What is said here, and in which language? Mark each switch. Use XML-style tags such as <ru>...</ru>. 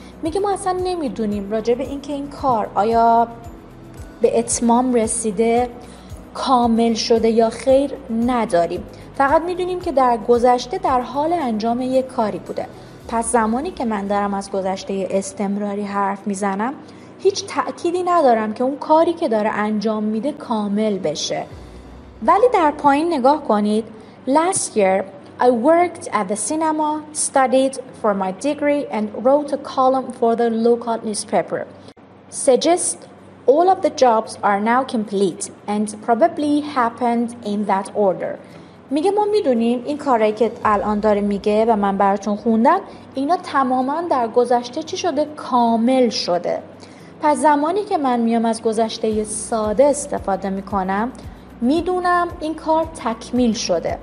<fa>میگه ما اصلا نمیدونیم راجع به این که این کار آیا به اتمام رسیده کامل شده یا خیر نداریم. فقط میدونیم که در گذشته در حال انجام یک کاری بوده. پس زمانی که من دارم از گذشته استمراری حرف میزنم هیچ تأکیدی ندارم که اون کاری که داره انجام میده کامل بشه. ولی در پایین نگاه کنید.</fa> <en>Last year I worked at the cinema, studied for my degree and wrote a column for the local newspaper. Suggest all of the jobs are now complete and probably happened in that order.</en> <fa>میگه ما میدونیم این کاری که الان داره میگه و من براتون خوندم اینا تماما در گذشته چی شده؟ کامل شده. پس زمانی که من میام از گذشته ساده استفاده میکنم میدونم این کار تکمیل شده.</fa>